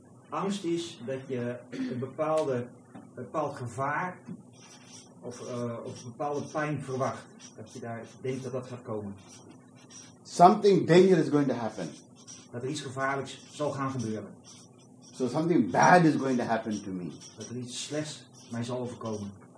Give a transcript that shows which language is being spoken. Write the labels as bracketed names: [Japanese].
[Dutch] Angst is dat je een bepaald gevaar of bepaalde pijn verwacht. Dat je daar denkt dat dat gaat komen. [English] Something dangerous is going to happen. [Dutch] Dat er iets gevaarlijks zal gaan gebeuren. [English] So something bad is going to happen to me. [Dutch] Dat er iets slechts mij zal overkomen.